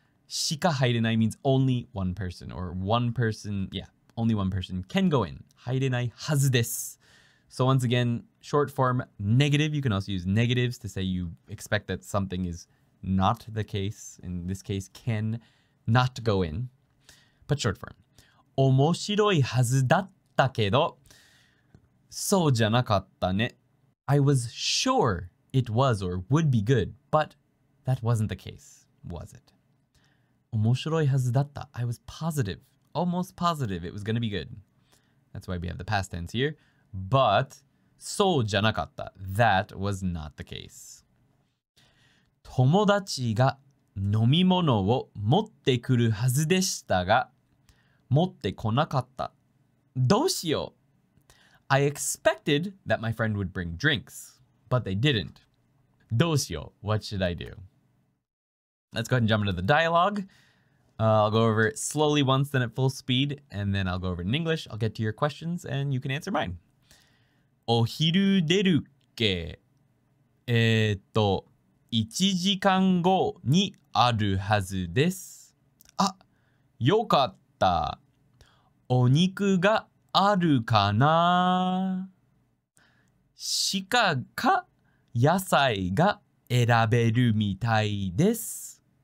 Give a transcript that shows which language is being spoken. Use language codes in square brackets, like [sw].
[en] しか入れない means only one person or one person, yeah, only one person can go in. [ja] 入れないはずです。 [en] So once again, short form negative, you can also use negatives to say you expect that something is not the case. In this case, can not go in. But short form. [ja] 面白いはずだったけど、そうじゃなかったね。 [en] I was sure it was or would be good, but that wasn't the case, was it? [ja] 面白いはずだった。 [en] I was positive, almost positive it was going to be good. That's why we have the past tense here. But, [ja] そうじゃなかった。 [en] That was not the case. [ja] 友達が飲み物を持ってくるはずでしたが、持ってこなかった。どうしよう。 [en] I expected that my friend would bring drinks, but they didn't. [ja] どうしよう。 [en] What should I do? Let's go ahead and jump into the dialogue. I'll go over it slowly once, then at full speed, and then I'll go over it in English. I'll get to your questions, and you can answer mine. [ja] お昼出るけ。 1時間後にあるはずです。あ、よかった。お肉があるかな。鹿か野菜が選べるみたいです。